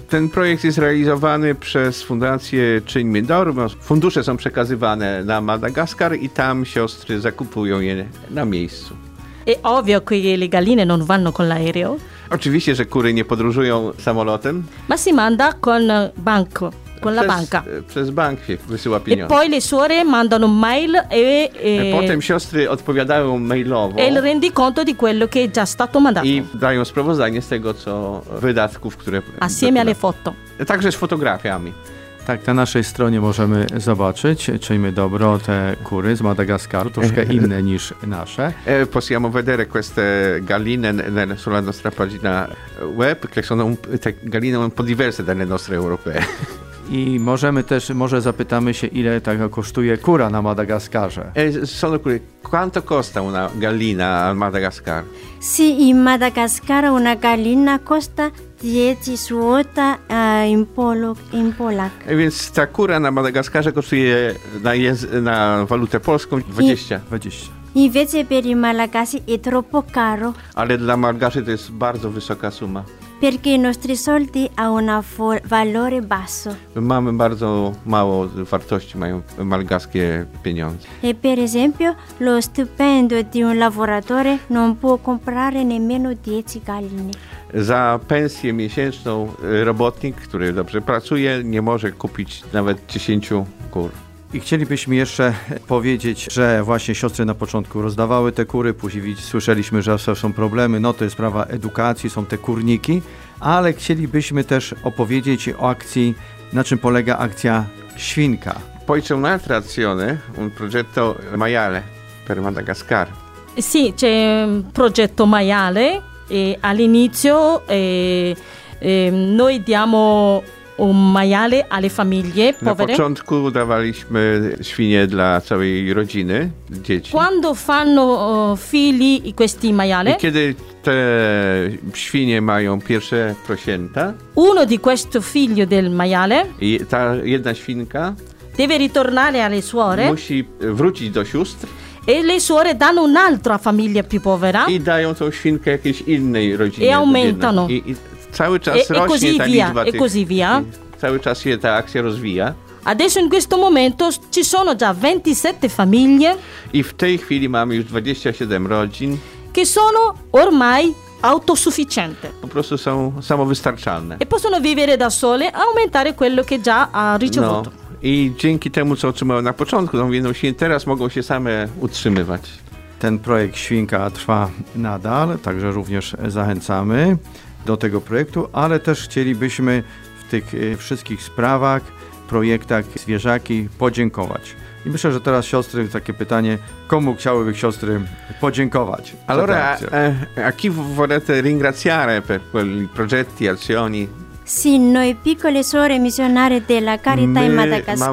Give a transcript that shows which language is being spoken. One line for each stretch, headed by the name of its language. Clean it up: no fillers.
Polish: Ten projekt jest realizowany przez Fundację Czyńmy Dobro. Fundusze są przekazywane na Madagaskar i tam siostry zakupują je na miejscu.
Italian: E ovvio che le galline non vanno con l'aereo.
Polish: Oczywiście, że kury nie podróżują samolotem.
Italian: Ma si manda con banco. Con la banca.
Polish: Przez bank wysyła pieniądze.
Italian: E poi le suore mandano mail e
Polish: potem siostry odpowiadają mailowo.
Italian: E il rendiconto di quello che è già stato mandato.
Polish: I dają sprawozdanie z tego, co wydatków, które...
Italian: Assieme alle foto.
Polish: Także z fotografiami. Tak, na naszej stronie możemy zobaczyć, czyjmy dobro, te kury z Madagaskaru, troszkę inne niż nasze.
Italian: Possiamo vedere queste galline sulla nostra pagina web, che sono te galline un po' diverse dalle nostre europee.
Polish: I możemy też, może zapytamy się, ile tak kosztuje kura na Madagaskarze.
Italian: Sono curi, quanto costa una gallina a Madagascar? Sì, in Madagascar una gallina costa 10 złota in Polak.
Polish: Więc ta kura na Madagaskarze kosztuje na walutę polską 20. I wiecie,
Italian: per i Malagasy è troppo caro.
Polish: Ale dla Malagasy to jest bardzo wysoka suma.
Italian: Perché i nostri soldi ha un valore basso.
Polish: Mamy bardzo mało wartości, mają malgaskie pieniądze.
Italian: E per esempio, lo stipendio di un lavoratore non può comprare nemmeno 10 galline.
Polish: Za pensję miesięczną robotnik, który dobrze pracuje, nie może kupić nawet 10 kur. I chcielibyśmy jeszcze powiedzieć, że właśnie siostry na początku rozdawały te kury, później słyszeliśmy, że są problemy, no to jest sprawa edukacji, są te kurniki, ale chcielibyśmy też opowiedzieć o akcji, na czym polega akcja Świnka.
Italian: Poi c'è un'altra azione, un progetto maiale per Madagascar. Sì, c'è un progetto maiale e all'inizio noi diamo un maiale alle famiglie povere.
Polish: Na początku dawaliśmy świnie dla całej rodziny, dzieci.
Italian: Quando fanno figli questi maiale?
Polish: I kiedy te świnie mają pierwsze prosięta?
Italian: Uno di questo figlio del maiale.
Polish: I ta jedna świnka
Italian: deve ritornare alle suore.
Polish: Musi wrócić do sióstr.
Italian: E le suore danno un'altra famiglia più povera.
Polish: I dają tą świnkę jakiejś innej rodzinie.
Italian: E aumentano.
Polish: Cały czas rośnie ta liczba. Cały czas się ta akcja rozwija.
Italian: Adesso in questo momento ci sono già 27 famiglie.
Polish: I w tej chwili mamy już 27 rodzin.
Italian: Che sono ormai autosufficiente.
Polish: Po prostu są samowystarczalne.
Italian: E possono vivere da sole, aumentare quello che già ha ricevuto.
Polish: No. I dzięki temu, co otrzymały na początku, tą jedną świnkę, teraz mogą się same utrzymywać. Ten projekt Świnka trwa nadal, także również zachęcamy do tego projektu, ale też chcielibyśmy w tych wszystkich sprawach, projektach zwierzaki podziękować. I myślę, że teraz siostry, takie pytanie, komu chciałyby siostry podziękować?
Italian: Allora, a chi volete ringraziare per quei progetti, azioni? Sì, noi piccole suore missionarie della Carità in Madagascar.